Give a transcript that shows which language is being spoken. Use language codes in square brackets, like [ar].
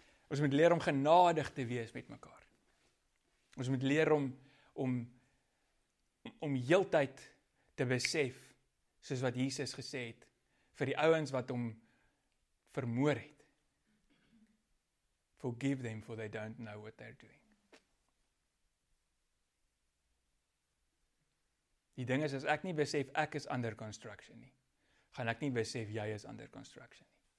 [af] Ons moet leer om genadig te wees met mekaar. Ons moet leer om heeltyd te besef, soos wat Jesus gesê het, vir die ouens wat om vermoor het. [en] Forgive them for they don't know what they're doing. [af] Die ding is, as ek nie besef ek is under construction nie, gaan ek nie besef jy is under construction nie.